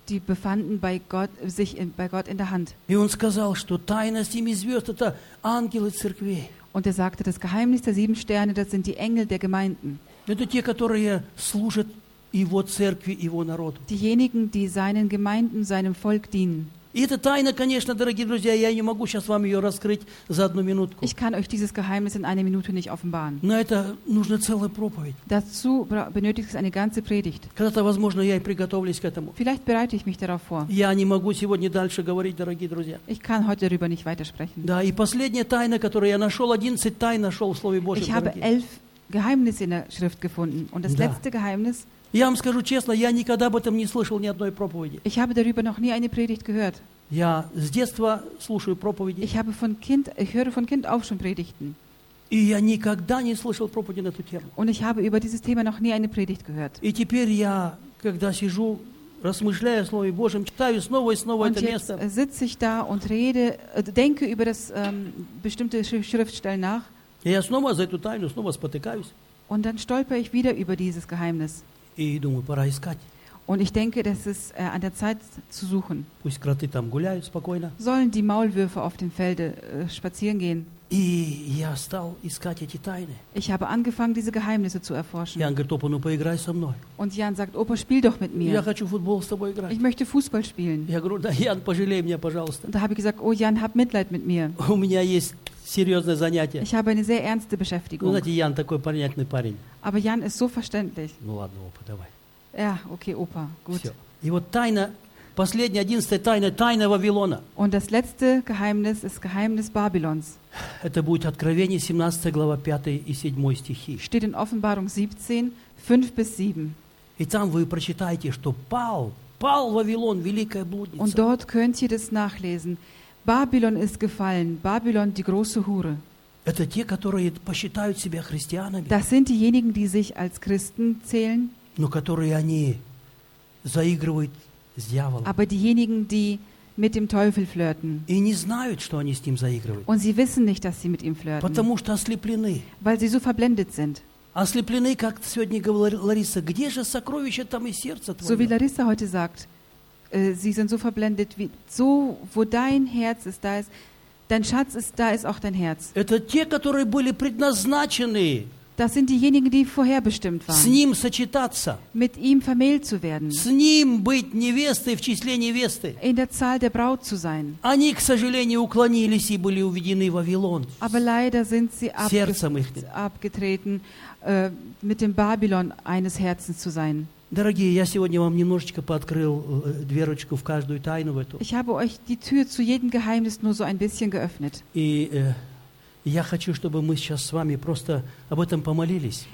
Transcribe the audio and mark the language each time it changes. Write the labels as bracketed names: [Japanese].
[German] Die befanden bei Gott, sich in, bei Gott in der Hand. Und er sagte, das Geheimnis der sieben Sterne, das sind die Engel der Gemeinden. Diejenigen, die seinen Gemeinden, seinem Volk dienen. [Russian] И эта тайна, конечно, дорогие друзья, я не могу сейчас вам ее раскрыть за одну минутку. [German] Ich kann euch dieses Geheimnis in einer Minute nicht offenbaren. [Russian] Но это нужна целая проповедь. [German] Dazu benötigt es eine ganze Predigt. [Russian] Когда-то, возможно, я и приготовлюсь к этому. [German] Vielleicht bereite ich mich darauf vor. [Russian] Я не могу сегодня дальше говорить, дорогие друзья. [German] Ich kann heute darüber nicht weitersprechen. [Russian] Да, и последняя тайна, которую я нашел, 11 тайн нашел в Слове Божьем. [German] Ich habe 11 Geheimnisse in der Schrift gefunden. Und das letzte Geheimnis... [Russian] Я вам скажу честно, я никогда об этом не слышал ни одной проповеди. [German] Ich habe darüber noch nie eine Predigt gehört. [Russian] Я с детства слушаю проповеди. [German] Ich habe von kind, ich höre von kind auf schon Predigten. [Russian] И я никогда не слышал проповеди на эту тему. [German] Und ich habe über dieses Thema noch nie eine Predigt gehört. [Russian] И теперь я, когда сижу, размышляю о Слове Божьем, читаю снова и снова [German] und [Russian] это место. [German] Und jetzt sitze ich da und rede, denke über das bestimmte Schriftstellen nach. [Russian] И я снова за эту тайну снова спотыкаюсь. [German] Und dann stolper ich wieder über dieses Geheimnis. [Russian] И думаю, пора искать. [German] Und ich denke, das ist an der Zeit zu suchen. [Russian] Пусть кроты там гуляют спокойно. [German] Sollen die Maulwürfe auf dem Felde spazieren gehen. [Russian] И я стал искать эти тайны. [German] Ich habe angefangen, diese Geheimnisse zu erforschen. [Russian] Jan говорит, Опа, ну поиграй со мной. [German] Und Jan sagt, Opa, spiel doch mit mir. [Russian] Я хочу футбол с тобой играть. [German] Ich möchte Fußball spielen. [Russian] Я говорю, да, Jan, пожалей меня, пожалуйста. [German] Und da habe ich gesagt, oh Jan, hab Mitleid mit mir. [Russian] У меня есть... Серьезное занятие. [German] Ich habe eine sehr ernste Beschäftigung. [Russian] Ну, знаете, Jan такой понятный парень. [German] Aber Jan ist so verständlich. [Russian] Ну ладно, Опа, давай. [German] Ja, okay, Opa, gut. [Russian] Все. И вот тайна, последняя, одиннадцатая тайна, тайна Вавилона. [German] Und das letzte Geheimnis ist Geheimnis Babylons. [Russian] Это будет Откровение, 17 глава, 5 и 7 стихи. [German] Steht in Offenbarung 17, 5 bis 7. [Russian] И там вы прочитаете, что пал Вавилон, великая блудница. [German] Und dort könnt ihr das nachlesen. Babylon ist gefallen, Babylon, die große Hure. [Russian] Это те, которые посчитают себя христианами. [German] Das sind diejenigen, die sich als Christen zählen. [Russian] Но которые они заигрывают с дьяволом. [German] Aber diejenigen, die mit dem Teufel flirten. [Russian] И не знают, что они с ним заигрывают. [German] Und sie wissen nicht, dass sie mit ihm flirten. [Russian] Потому что ослеплены. [German] Weil sie so verblendet sind. [Russian] Ослеплены, как сегодня говорила Лариса, где же сокровище там и сердце твое? [German] So wie Larissa heute sagt. Sie sind so verblendet, wie so, wo dein Herz ist, da ist dein Schatz ist, da ist auch dein Herz. [Russian] Это те, которые были предназначены. [German] Das sind diejenigen, die vorherbestimmt waren. [Russian] С ним сочетаться. [German] Mit ihm vermählt zu werden. [Russian] С ним быть невестой в числе невесты. [German] In der Zahl der Braut zu sein. [Russian] Они, к сожалению, уклонились и были уведены в Вавилон. [German] Aber leider sind sie abgetreten, mit dem Babylon eines Herzens zu sein. [Russian] Дорогие, я сегодня вам немножечко пооткрыл дверочку в каждую тайну в эту. [German] Ich habe euch die Tür zu jedem Geheimnis nur so ein bisschen geöffnet. [Russian] И я хочу, чтобы мы сейчас с вами просто об этом помолились.